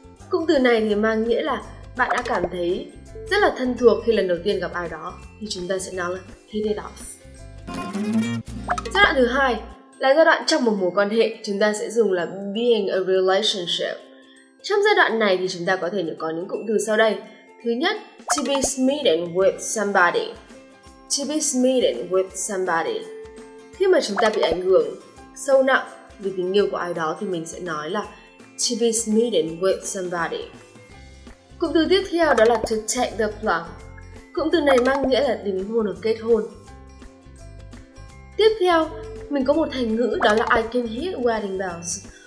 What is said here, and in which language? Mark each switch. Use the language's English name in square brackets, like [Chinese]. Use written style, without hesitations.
[Vietnamese] Cụm từ này thì mang nghĩa là bạn đã cảm thấy rất là thân thuộc khi lần đầu tiên gặp ai đó thì chúng ta sẽ nói là [English] hit it off. [Vietnamese] Giai đoạn thứ hai là giai đoạn trong một mối quan hệ, chúng ta sẽ dùng là [English] being a relationship. [Vietnamese] Trong giai đoạn này thì chúng ta có thể có những cụm từ sau đây. Thứ nhất, [English] to be smitten with somebody. To be smitten with somebody. [Vietnamese] Khi mà chúng ta bị ảnh hưởng sâu nặng vì tình yêu của ai đó thì mình sẽ nói là [English] to be smitten with somebody. [Vietnamese] Cụm từ tiếp theo đó là [English] to take the plunge. [Vietnamese] Cụm từ này mang nghĩa là đính hôn hoặc kết hôn. Tiếp theo, mình có một thành ngữ đó là [English] I can hear wedding bells.